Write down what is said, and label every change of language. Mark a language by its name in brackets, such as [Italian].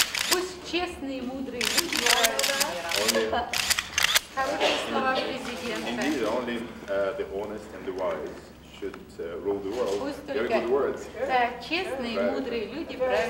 [Russian] Пусть честные и мудрые люди говорят. Хорошие слова президента. [English] Indeed, only the honest and the wise should rule the world. Very good words. [Russian] Так, честные, мудрые люди правят